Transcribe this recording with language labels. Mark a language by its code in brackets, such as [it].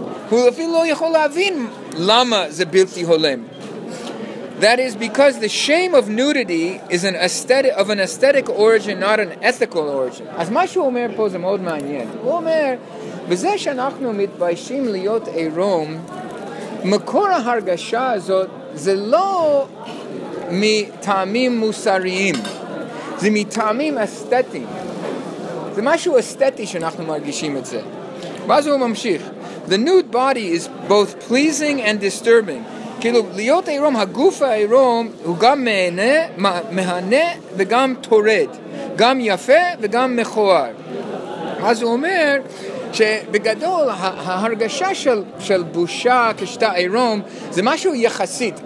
[he] הוא אפילו לא יכול להבין למה זה בלתי הולם. [en] That is because the shame of nudity is an aesthetic, of an aesthetic origin, not an ethical origin. [he] אז מה שהוא אומר פה זה מאוד מעניין. הוא אומר, בזה שאנחנו מתביישים להיות עירום, מקור ההרגשה הזאת זה לא מטעמים מוסריים, זה מטעמים אסתטיים. זה משהו אסתטי שאנחנו מרגישים את זה. ואז הוא ממשיך. [en] The nude body is both pleasing and disturbing. [he] כאילו, להיות עירום, הגוף העירום, הוא גם מהנה וגם תורד. גם יפה וגם מכוער. אז הוא אומר שבגדול, ההרגשה של בושה כשאתה עירום, זה משהו יחסית.